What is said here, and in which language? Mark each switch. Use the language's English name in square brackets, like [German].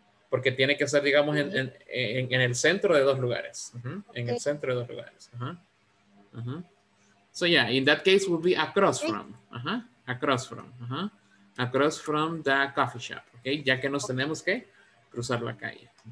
[Spanish] Porque tiene que ser, digamos, en el centro de dos lugares, en el centro de dos lugares. [English] So yeah, in that case would be across from, across from, across from the coffee shop, okay? [Spanish] Ya que nos tenemos que cruzar la calle.